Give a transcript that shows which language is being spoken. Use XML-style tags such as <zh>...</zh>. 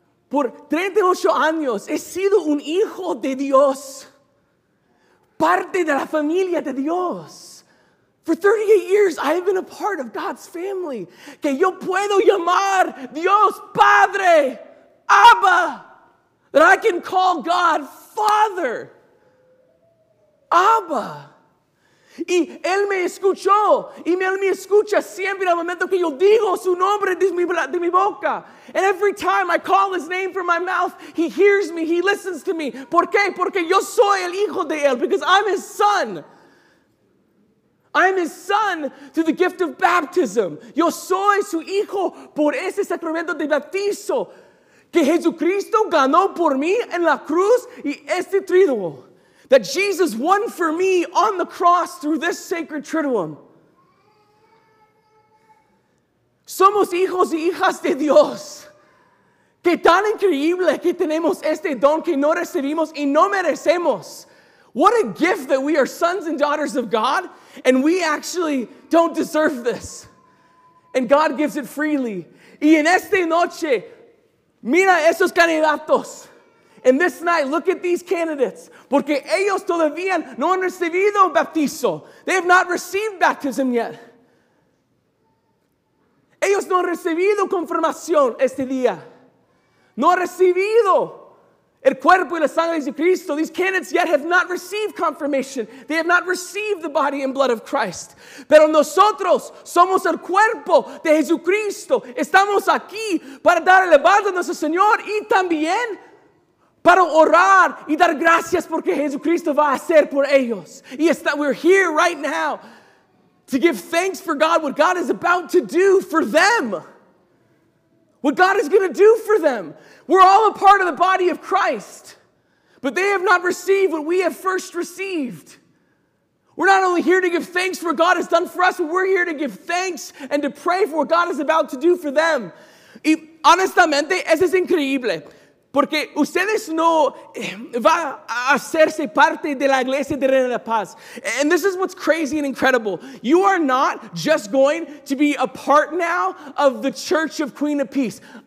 <es>Por 38 años, he sido un hijo de Dios. Parte de la familia de Dios.</es> <en>For 38 years, I have been a part of God's family.</en> <es>Que yo puedo llamar Dios Padre.</es> <en>Abba, that I can call God Father. Abba.</en> <es>Y Él me escuchó. Y Él me escucha siempre en el momento que yo digo su nombre de mi boca.</es> <en>And every time I call His name from my mouth, He hears me. He listens to me.</en> <es>¿Por qué? Porque yo soy el hijo de Él.</es> <en>Because I'm His son. I'm His son through the gift of baptism.</en> <es>Yo soy su hijo por ese sacramento de bautizo. Que Jesucristo ganó por mí en la cruz y este triduum.</es> <en>That Jesus won for me on the cross through this sacred triduum.</en> <es>Somos hijos y hijas de Dios. Que tan increíble que tenemos este don que no recibimos y no merecemos.</es> <en>What a gift that we are sons and daughters of God and we actually don't deserve this. And God gives it freely.</en> <es>Y en esta noche, mira esos candidatos.</es> <en>And this night, look at these candidates.</en> <es>Porque ellos todavía no han recibido bautizo.</es> <en>They have not received baptism yet.</en> <es>Ellos no han recibido confirmación este día. No han recibido El cuerpo y la sangre de Cristo,</es> <en>these candidates yet have not received confirmation. They have not received the body and blood of Christ.</en> <es>Pero nosotros somos el cuerpo de Jesucristo. Estamos aquí para dar el levanto a nuestro Señor y también para orar y dar gracias porque Jesucristo va a hacer por ellos. Y está,</es> <en>we're here right now to give thanks for God, what God is about to do for them. What God is going to do for them. We're all a part of the body of Christ. But they have not received what we have first received. We're not only here to give thanks for what God has done for us, but we're here to give thanks and to pray for what God is about to do for them.</en> <es>Y honestamente, eso es increíble. Porque ustedes no va a hacerse parte de la iglesia de Reina de Paz.</es> <en>And this is what's crazy and incredible. You are not just going to be a part now of the Church of Queen of Peace.</en>